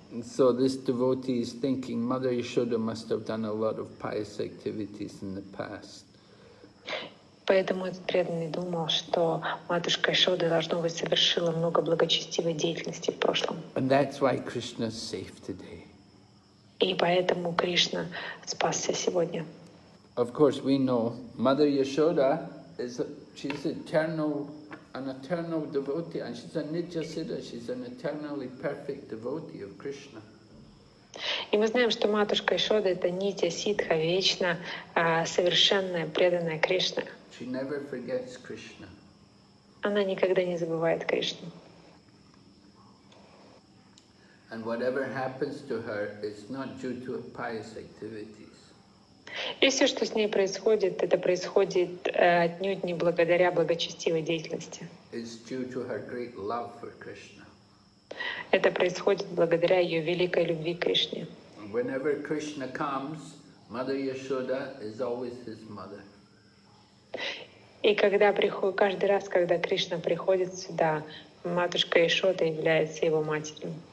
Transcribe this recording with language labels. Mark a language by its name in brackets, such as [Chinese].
[English] So this devotee is thinking Mother Yashoda must have done a lot of pious activities in the past. [Russian] Поэтому этот преданный думал, что матушка Ишода должно быть совершила много благочестивой деятельности в прошлом. [English] And that's why Krishna's safe today. [Russian] И поэтому Кришна спасся сегодня. [English] Of course, we know Mother Yashoda is she's eternal, an eternal devotee, and she's a Nitya Siddha. She's an eternally perfect devotee of Krishna. [Russian] И мы знаем, что матушка Ишода это Нитья Сидха, вечно совершенная преданная Кришна. [English] She never forgets Krishna. [Russian] Она никогда не забывает Кришну. [English] And whatever happens to her, it's not due to pious activities. [Russian] И все, что с ней происходит, это происходит отнюдь не благодаря благочестивой деятельности. [English] It's due to her great love for Krishna. [Russian] Это происходит благодаря ее великой любви к Кришне. [English] Whenever Krishna comes, Mother Yashoda is always his mother. [Russian] И когда приходит, каждый раз, когда Кришна приходит сюда, матушка Ишода является его матерью.